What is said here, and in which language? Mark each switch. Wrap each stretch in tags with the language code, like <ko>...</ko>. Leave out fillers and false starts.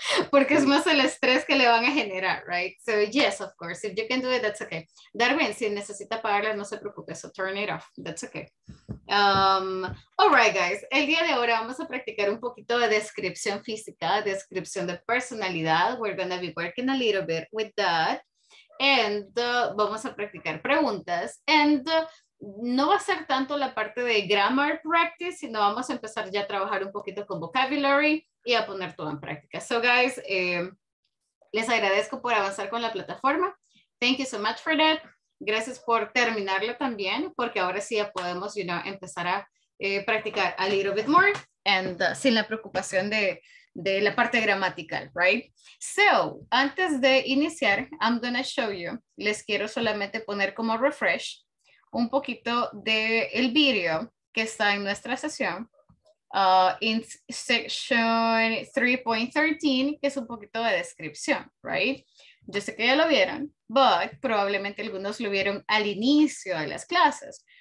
<es>Porque es más el estrés que le van a generar, right?</es> <en>So, yes, of course. If you can do it, that's okay.</en> <es>Darwin, si necesita pagarla, no se preocupe.</es> <en>So, turn it off. That's okay. All right, guys.</en> <es>El día de ahora vamos a practicar un poquito de descripción física, descripción de personalidad.</es> <en>We're going to be working a little bit with that.</en> <es>And vamos a practicar preguntas. And no va a ser tanto la parte de grammar practice, sino vamos a empezar ya a trabajar un poquito con vocabulary y a poner todo en práctica. So, guys, les agradezco por avanzar con la plataforma.</es> <en>Thank you so much for that.</en> <es>Gracias por terminarlo también, porque ahora sí ya podemos, you know, empezar a practicar</es> <en>a little bit more and</en> <es>sin la preocupación de la parte gramatical, right?</es> <en>So,</en> <es>antes de iniciar,</es> <en>I'm going to show you.</en> <es>Les quiero solamente poner como refresh un poquito del video que está en nuestra sesión.</es> <en>In section 3.13,</en> <es>que es un poquito de descripción, right? Yo sé que ya lo vieron, but probablemente algunos lo vieron al inicio de las clases.</es>